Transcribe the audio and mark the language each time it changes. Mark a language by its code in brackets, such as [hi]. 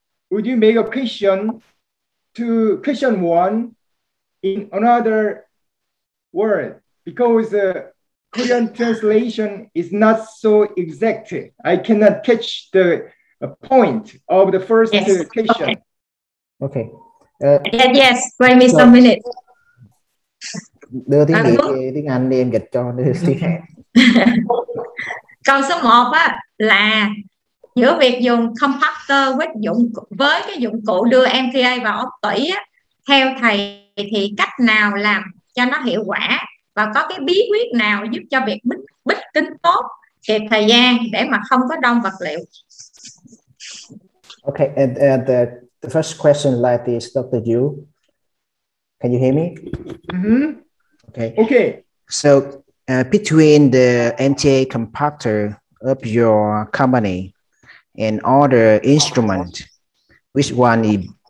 [en] Would you make a question to question one in another word? Because the Korean translation is not so exact. I cannot catch the point of the first question. Okay. Yes, wait me some minute. [vi] Đưa tiếng Việt, tiếng Anh đi, em dịch cho đưa tiếng Hàn. Câu số 1 á là giữa việc dùng compactor với cái dụng cụ đưa MTA vào ốc tủy á, theo thầy thì cách nào làm cho nó hiệu quả và có cái bí quyết nào giúp cho việc bích kính tốt kịp thời gian để mà không có đông vật liệu. [en] Okay, and the first question like this, Dr. Yu. Can you hear me? Mm-hmm. Okay. So between the MTA compactor of your company and other instrument, which one is...